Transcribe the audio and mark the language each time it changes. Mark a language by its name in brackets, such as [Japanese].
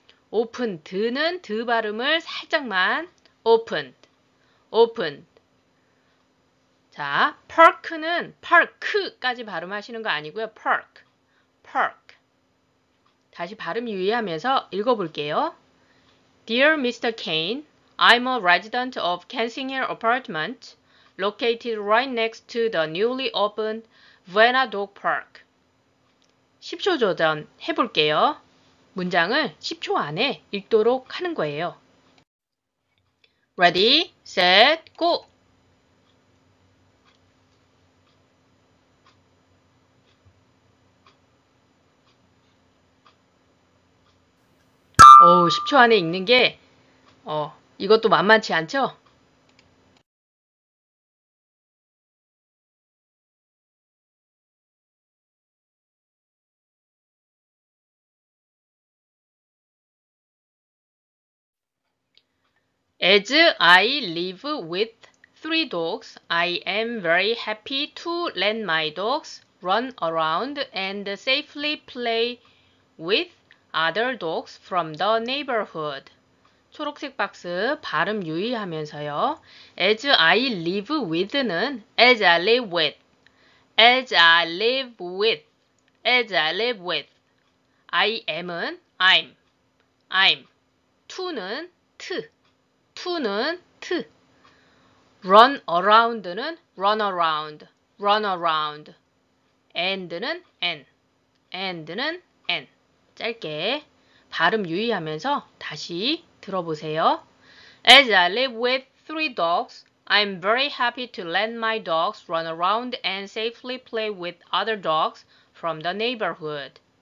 [Korean] open, 드는 드 발음을 살짝만 [English] opened. opened. [Korean] 자, park는 park까지 발음하시는 거 아니고요. park. park. 다시 발음 유의하면서 읽어볼게요. [English] Dear Mr. Kane, I'm a resident of Kensing Hill Apartments, located right next to the newly opened Vienna Dog Park. [Korean] 10초 도전 해볼게요. 문장을 10초 안에 읽도록 하는 거예요. [English] Ready, set, go! [Korean] 10초 안에 읽는 게, 이것도 만만치 않죠? [English] 'As I live with three dogs, I am very happy to let my dogs run around and safely play with other dogs from the neighborhood.' [Korean] 초록색 박스 발음 유의하면서요. [English] 'As I live with'는 'as I live with', 'as I live with', 'as I live with'. 'I am'은 'I'm', 'I'm'. 'to'는 'to'. 2는 트. run around는 run around, run around. and는 n, and는 n. [Korean] 짧게 발음 유의하면서 다시 들어보세요. [English] As I live with three dogs, I'm very happy to let my dogs run around and safely play with other dogs from the neighborhood.